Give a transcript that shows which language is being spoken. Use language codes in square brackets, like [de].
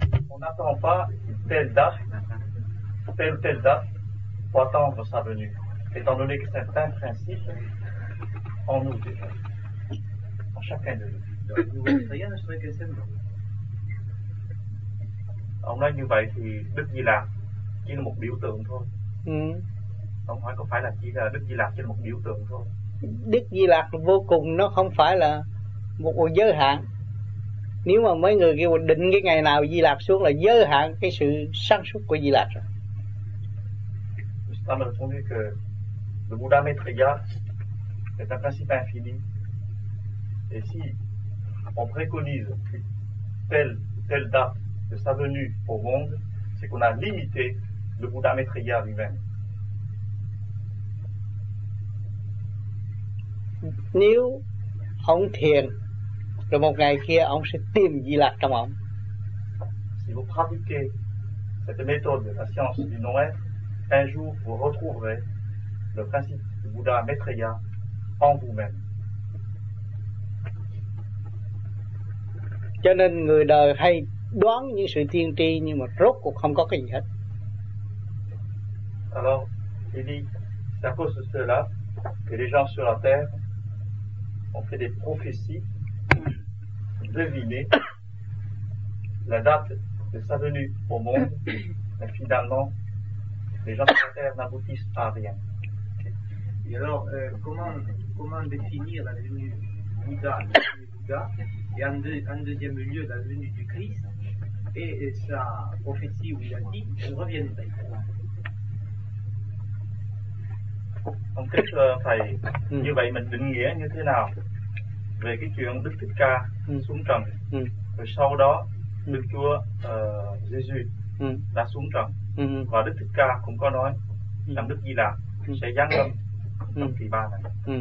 [fr] On n'attend pas telle date, telle ou telle date, pour attendre sa venue, étant donné que c'est un principe en nous déjà, en chacun de nous. [vi] Ông nói như vậy thì Đức Di Lạc chỉ là một biểu tượng thôi. Ông hỏi có phải là chỉ là Đức Di Lạc chỉ là một biểu tượng thôi? Đức Di Lạc vô cùng, nó không phải là một giới hạn. Nếu mà mấy người kêu định cái ngày nào Di Lạc xuống là giới hạn cái sự sáng suốt của Di Lạc rồi. [fr] Nous sommes entendus que le Bouddha Maitreya est un principe infini. Et si on préconise telle date de sa venue au monde, c'est qu'on a limité le Bouddha Maitreya lui-même. [vi] Nếu ông thiền, rồi một ngày kia ông sẽ tìm Di Lặc trong ông. [fr] Si vous pratiquez cette méthode de la science du non-être, un jour vous retrouverez le principe du Bouddha Maitreya en vous-même. [vi] Cho nên người đời hay đoán những sự tiên tri nhưng mà rốt cuộc không có cái gì hết. [fr] Alors, il dit, c'est à cause de cela que les gens sur la terre ont fait des prophéties pour deviner la date de sa venue au monde, mais finalement, les gens sur la terre n'aboutissent à rien. Et alors, comment définir la venue du Bouddha? Et en deuxième lieu, la venue du Christ et sa prophétie où il a dit je reviendrai. Donc, qu'est-ce que [vi] thầy, như vậy mình định nghĩa như thế nào về cái chuyện Đức Thích Ca xuống trần, rồi sau đó Đức Chúa Jésus đã xuống trần, và Đức Thích Ca cũng có nói rằng Đức Di Lạc sẽ giáng lâm trong kỳ ba này.